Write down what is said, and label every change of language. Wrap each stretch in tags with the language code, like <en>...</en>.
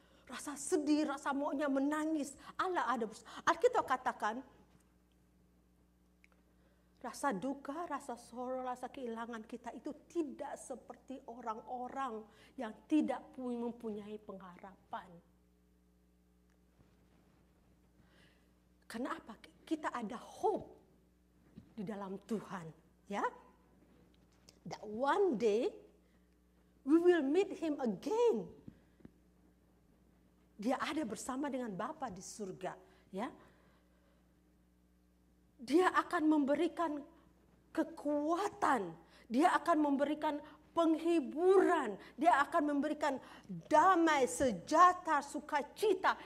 <id>Rasa sedih, rasa maunya menangis, Allah ada. Alkitab katakan, rasa duka, rasa sorrow, rasa kehilangan kita itu tidak seperti orang-orang yang tidak mempunyai pengharapan. Karena apa? Kita ada hope di dalam Tuhan, ya?</id> <en>That one day we will meet Him again.</en> <id>Dia ada bersama dengan Bapa di surga, ya? Dia akan memberikan kekuatan, Dia akan memberikan penghiburan, Dia akan memberikan damai, sejahtera, sukacita.</id>